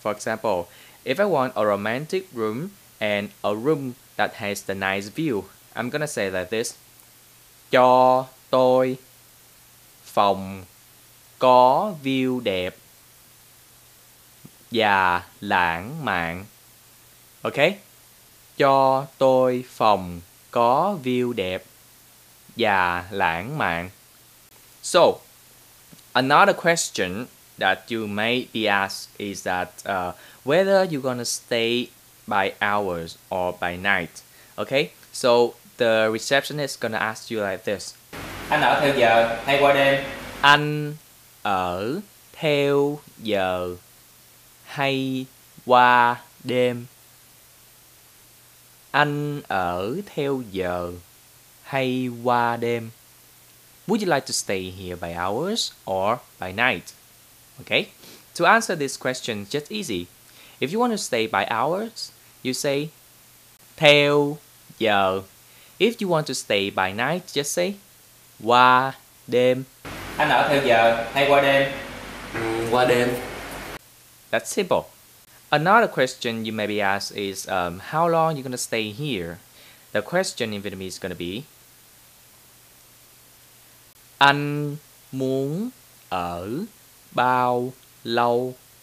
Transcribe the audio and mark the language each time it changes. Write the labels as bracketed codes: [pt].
[en] For example, if I want a romantic room and a room that has the nice view, I'm gonna say like this: [vi] cho tôi phòng có view đẹp và lãng mạn. Okay, cho tôi phòng có view đẹp và lãng mạn. [en] So, another question that you may be asked is that whether you're gonna stay by hours or by night. Okay, so the receptionist is gonna ask you like this. [vi] Anh ở theo giờ hay qua đêm? Anh ở theo giờ hay qua đêm? Anh ở theo giờ hay qua đêm? [en] Would you like to stay here by hours or by night? Okay, to answer this question, just easy. If you want to stay by hours, you say [vi] Theo giờ. [en] If you want to stay by night, just say [vi] qua đêm. Anh ở theo giờ hay qua đêm? Qua đêm. [en] That's simple. Another question you may be asked is how long are you going to stay here? The question in Vietnamese is going to be [vi] anh muốn ở bao lâu?